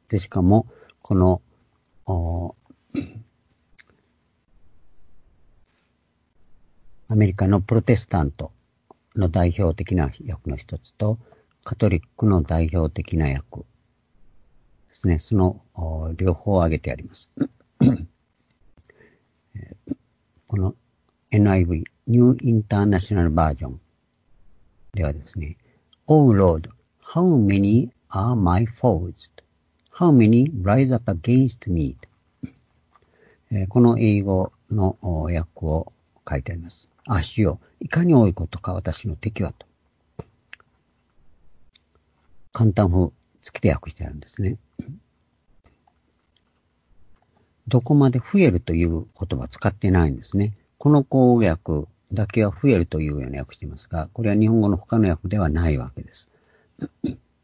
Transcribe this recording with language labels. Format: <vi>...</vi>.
<ja>で、しかも、この、アメリカのプロテスタントの代表的な訳の一つと、カトリックの代表的な訳ですね。その両方を挙げてあります。このNIV、ニューインターナショナルバージョンではですね、</ja> <en>Oh Lord, how many are my foes? How many rise up against me?</en> <ja>この英語の訳を書いてあります。主よ、いかに多いことか私の敵はと。簡単風、付きで訳してあるんですね。どこまで増えるという言葉を使ってないんですね。この公訳だけは増えるというような訳していますが、これは日本語の他の訳ではないわけです。</ja>